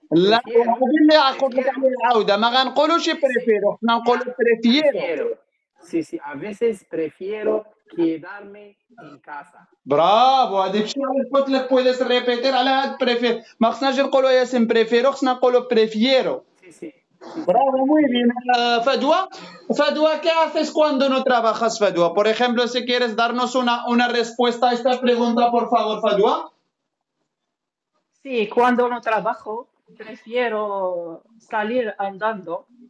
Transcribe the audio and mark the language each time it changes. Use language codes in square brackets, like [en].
[ar] لا قبل لا أقول لك عودة ما غن قلوا شيء prefiero ما نقول prefiero. [es] Sí a veces prefiero quedarme en casa. Bravo. [ar] هذه شيء قلت لك [es] puedes repetir [ar] على هاد prefiero ما خصناش نقولوا يا سين prefiero خصنا نقولوا prefiero. [es] Sí. Bravo. Muy bien. Fadua, ¿qué haces cuando no trabajas, Fadua? Por ejemplo, si quieres darnos una respuesta a esta pregunta, por favor, Fadua. Sí, cuando no trabajo, prefiero salir andando.